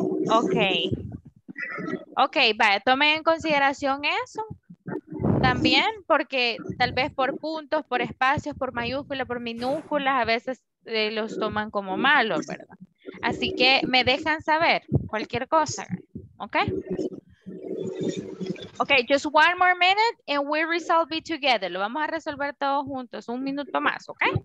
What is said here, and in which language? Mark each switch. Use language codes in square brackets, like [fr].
[es] Ok. Ok, vaya, tome en consideración eso. También porque tal vez por puntos, por espacios, por mayúsculas, por minúsculas, a veces los toman como malos, ¿verdad? Así que me dejan saber cualquier cosa, ¿ok? [en] Ok, just 1 more minute and we resolve it together. [es] Lo vamos a resolver todos juntos, 1 minuto más, ¿ok?